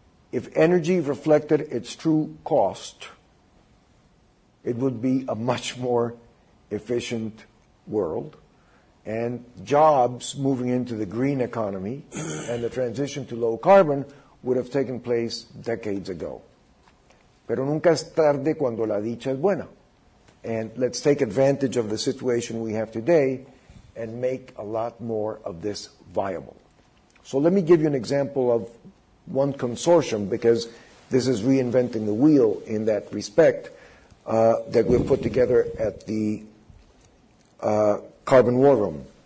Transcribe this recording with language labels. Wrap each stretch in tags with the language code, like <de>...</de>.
<en>If energy reflected its true cost, it would be a much more efficient world. And jobs moving into the green economy and the transition to low carbon would have taken place decades ago.</en> <es>Pero nunca es tarde cuando la dicha es buena.</es> <en>And let's take advantage of the situation we have today and make a lot more of this viable. So let me give you an example of one consortium, because this is reinventing the wheel in that respect, that we've put together at the Carbon War Room.</en>